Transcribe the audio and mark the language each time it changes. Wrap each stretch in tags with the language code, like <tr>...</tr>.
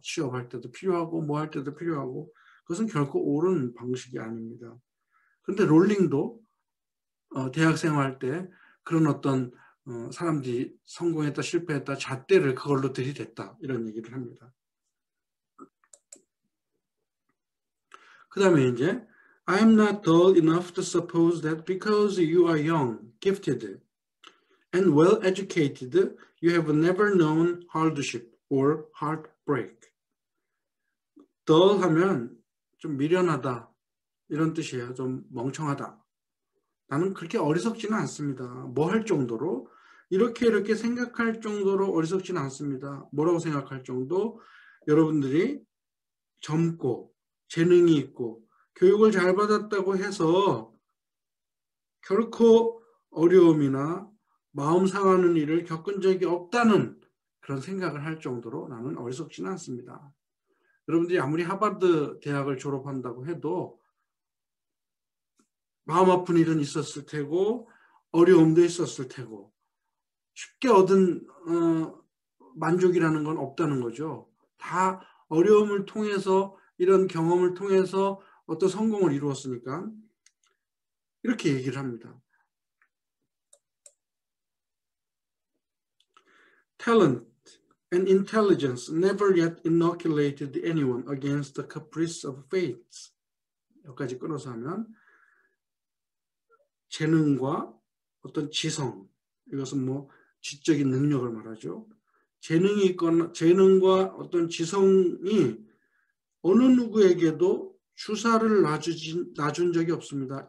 <ko>취업할 때도 필요하고, 뭐할 때도 필요하고. 그것은 결코 옳은 방식이 아닙니다. 그런데 롤링도 대학 생활할 때 그런 어떤 사람들이 성공했다, 실패했다, 잣대를 그걸로 들이댔다. 이런 얘기를 합니다.</ko> <en>그 다음에 이제, I'm not dull enough to suppose that because you are young, gifted, and well-educated, you have never known hardship or heartbreak.</en> <ko>덜 하면 좀 미련하다 이런 뜻이에요. 좀 멍청하다. 나는 그렇게 어리석지는 않습니다. 뭐 할 정도로 이렇게 이렇게 생각할 정도로 어리석지는 않습니다. 뭐라고 생각할 정도 여러분들이 젊고 재능이 있고 교육을 잘 받았다고 해서 결코 어려움이나 마음 상하는 일을 겪은 적이 없다는 그런 생각을 할 정도로 나는 어리석지는 않습니다. 여러분들이 아무리 하버드 대학을 졸업한다고 해도 마음 아픈 일은 있었을 테고 어려움도 있었을 테고 쉽게 얻은 만족이라는 건 없다는 거죠. 다 어려움을 통해서 이런 경험을 통해서 어떤 성공을 이루었으니까 이렇게 얘기를 합니다.</ko> <en>Talent and intelligence never yet inoculated anyone against the caprice of fate.</en> <ko>여기까지 끊어서 하면 재능과 어떤 지성, 이것은 뭐 지적인 능력을 말하죠. 재능이 있거나 재능과 어떤 지성이 어느 누구에게도 주사를 놔준 적이 없습니다.</ko>